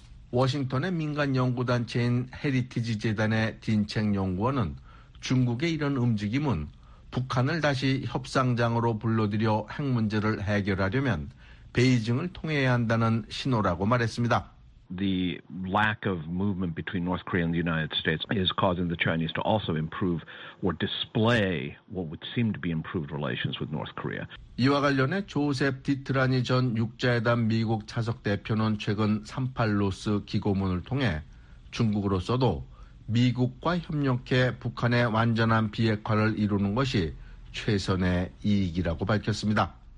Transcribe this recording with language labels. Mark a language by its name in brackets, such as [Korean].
[Korean] 워싱턴의 민간연구단체인 헤리티지 재단의 딘챙 연구원은 중국의 이런 움직임은 북한을 다시 협상장으로 불러들여 핵 문제를 해결하려면 베이징을 통해야 한다는 신호라고 말했습니다. [English] The lack of movement between North Korea and the United States is causing the Chinese to also improve or display what would seem to be improved relations with North Korea. [Korean] 이와 관련해 조셉 디트라니 전 6자회담 미국 차석 대표는 최근 38로스 기고문을 통해 중국으로서도 미국과 협력해 북한의 완전한 비핵화를 이루는 것이 최선의 이익이라고 밝혔습니다.